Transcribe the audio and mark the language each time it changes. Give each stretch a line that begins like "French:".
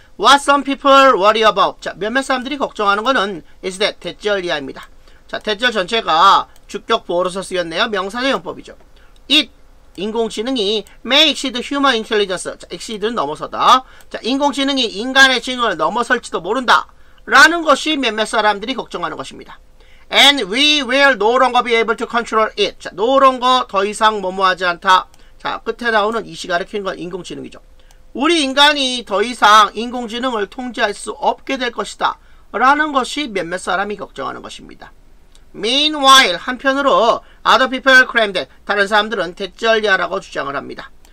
English: What some people worry about.
Korean: 자, 몇몇 사람들이 걱정하는 거는
English: is that,
Korean: 대절 이하입니다. 자, 대절 전체가 주격 보호로서 쓰였네요. 명사의 용법이죠. It, 인공지능이
English: may exceed human intelligence.
Korean: 자, exceed는 넘어서다. 자, 인공지능이 인간의 지능을 넘어설지도 모른다. 라는 것이 몇몇 사람들이 걱정하는 것입니다.
English: And we will no longer be able to control it.
Korean: 자, no longer 더 이상 뭐뭐하지 않다. 자, 끝에 나오는 이시 가르키는 건 인공지능이죠. 우리 인간이 더 이상 인공지능을 통제할 수 없게 될 것이다. 라는 것이 몇몇 사람이 걱정하는 것입니다.
English: Meanwhile,
Korean: 한편으로
English: other people claimed that
Korean: 다른 사람들은 대절이야라고 주장을 합니다.